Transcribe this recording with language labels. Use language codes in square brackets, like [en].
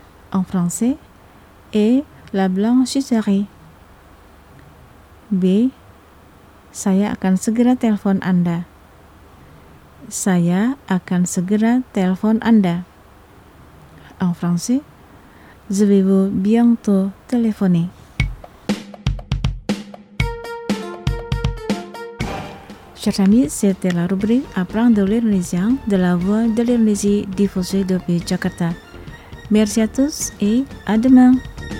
[fr] En français, et la blanchisserie. B. [id] Saya akan segera telepon Anda. Saya akan segera telepon Anda. [fr] En français, je vais vous bientôt téléphoner. Chers amis, c'était la rubrique Apprendre l'Indonésien de la Voix de l'Indonésie diffusée depuis Jakarta. Merci à tous et à demain.